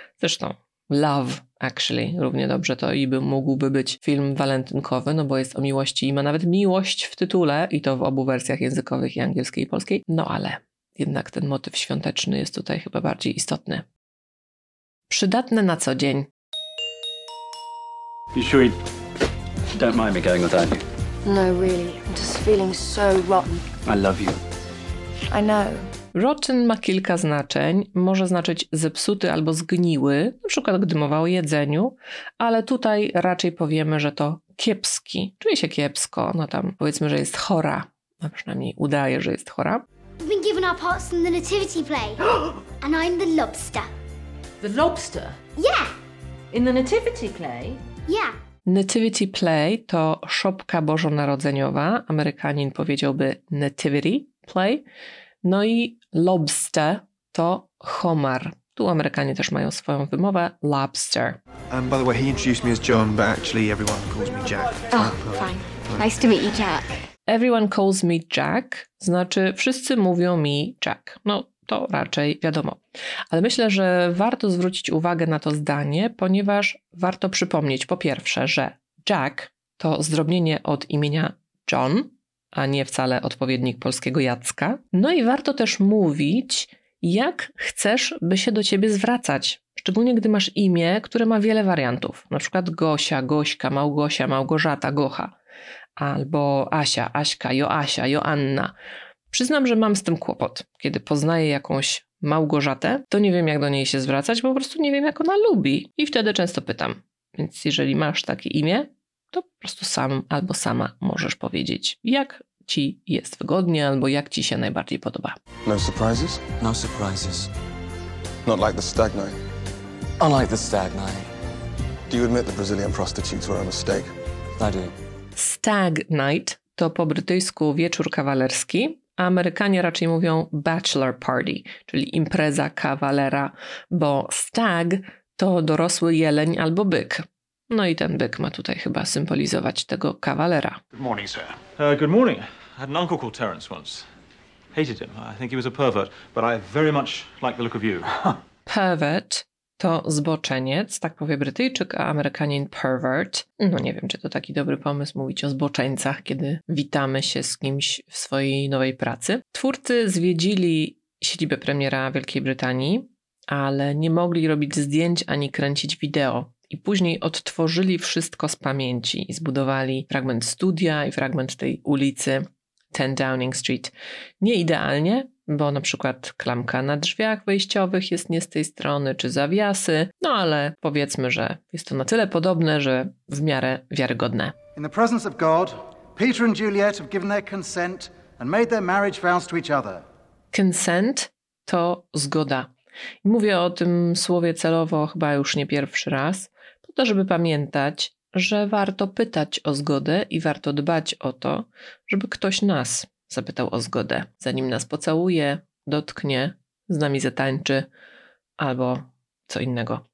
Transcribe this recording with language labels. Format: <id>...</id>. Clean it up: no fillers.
<pl>Zresztą Love Actually równie dobrze to i mógłby być film walentynkowy, no bo jest o miłości i ma nawet miłość w tytule i to w obu wersjach językowych, i angielskiej i polskiej. No ale jednak ten motyw świąteczny jest tutaj chyba bardziej istotny. Przydatne na co dzień.</pl> <en>You sure you don't mind me going without you? No, really. I'm just feeling so rotten. I love you. I know.</en> <pl>Rotten ma kilka znaczeń. Może znaczyć zepsuty albo zgniły, na przykład gdy mowa o jedzeniu, ale tutaj raczej powiemy, że to kiepski. Czuje się kiepsko, no tam powiedzmy, że jest chora. A przynajmniej udaje, że jest chora.</pl> <en>We've been given our parts in the nativity play. And I'm the lobster. The lobster? Yeah. In the nativity play? Yeah.</en> <pl>Nativity play to szopka bożonarodzeniowa. Amerykanin powiedziałby nativity play. No i lobster to homar. Tu Amerykanie też mają swoją wymowę, lobster.</pl> <en>By the way, he introduced me as John, but actually everyone calls me Jack. Oh, fine. Nice to meet you, Jack. Everyone calls me Jack,</en> <pl>znaczy wszyscy mówią mi Jack. No, to raczej wiadomo. Ale myślę, że warto zwrócić uwagę na to zdanie, ponieważ warto przypomnieć po pierwsze, że Jack to zdrobnienie od imienia John, a nie wcale odpowiednik polskiego Jacka. No i warto też mówić, jak chcesz, by się do ciebie zwracać. Szczególnie, gdy masz imię, które ma wiele wariantów. Na przykład Gosia, Gośka, Małgosia, Małgorzata, Gocha. Albo Asia, Aśka, Joasia, Joanna. Przyznam, że mam z tym kłopot. Kiedy poznaję jakąś Małgorzatę, to nie wiem, jak do niej się zwracać, bo po prostu nie wiem, jak ona lubi. I wtedy często pytam. Więc jeżeli masz takie imię, to po prostu sam albo sama możesz powiedzieć, jak ci jest wygodnie albo jak ci się najbardziej podoba.</pl> <en>No surprises? No surprises. Not like the stag night. Unlike the stag night. Do you admit the Brazilian prostitutes were a mistake? I do.</en> <pl>Stag night to po brytyjsku wieczór kawalerski, a Amerykanie raczej mówią bachelor party, czyli impreza kawalera, bo stag to dorosły jeleń albo byk. No i ten byk ma tutaj chyba symbolizować tego kawalera.</pl> <en>Good morning, sir. Good morning. I had an uncle called Terence once. Hated him. I think he was a pervert, but I very much like the look of you.</en> <pl>Pervert to zboczeniec, tak powie Brytyjczyk, a Amerykanin pervert. No nie wiem, czy to taki dobry pomysł mówić o zboczeńcach, kiedy witamy się z kimś w swojej nowej pracy. Twórcy zwiedzili siedzibę premiera Wielkiej Brytanii, ale nie mogli robić zdjęć ani kręcić wideo. I później odtworzyli wszystko z pamięci i zbudowali fragment studia i fragment tej ulicy 10 Downing Street. Nie idealnie, bo na przykład klamka na drzwiach wejściowych jest nie z tej strony, czy zawiasy, no ale powiedzmy, że jest to na tyle podobne, że w miarę wiarygodne.</pl> <en>In the presence of God, Peter and Juliet have given their consent and made their marriage vows to each other.</en> <pl>Consent to zgoda. I mówię o tym słowie celowo chyba już nie pierwszy raz, po to, żeby pamiętać, że warto pytać o zgodę i warto dbać o to, żeby ktoś nas zapytał o zgodę, zanim nas pocałuje, dotknie, z nami zatańczy albo co innego.</pl>